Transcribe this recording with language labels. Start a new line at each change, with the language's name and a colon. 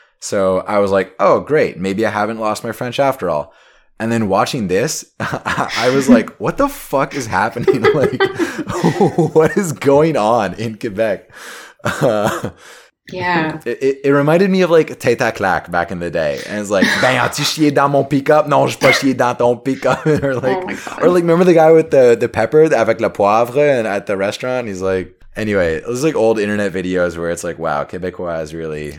English: So I was like, oh, great. Maybe I haven't lost my French after all. And then watching this, I was like, what the fuck is happening? Like, what is going on in Quebec? Yeah. It reminded me of like Tata Clack back in the day. And it's like,
French: ben, as-tu chié dans mon pick-up? Non, je pas chié dans ton pick-up.
English: or like, remember the guy with the pepper,
French: avec le poivre,
English: and at the restaurant? He's like, anyway, it was like old internet videos where it's like, wow, Quebecois is really.